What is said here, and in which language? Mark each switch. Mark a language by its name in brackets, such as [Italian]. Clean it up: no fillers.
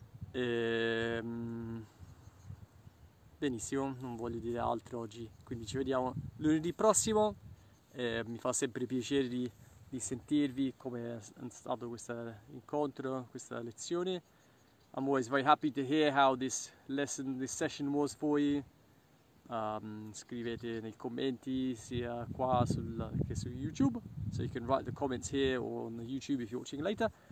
[Italian] E, benissimo, non voglio dire altro oggi, quindi ci vediamo lunedì prossimo. E, mi fa sempre piacere di sentirvi, come è stato questo incontro, questa lezione. [English] I'm always very happy to hear how this lesson, this session was for you. [Italian] Scrivete nei commenti sia qua che su YouTube. [English] So you can write the comments here or on the YouTube if you're watching later.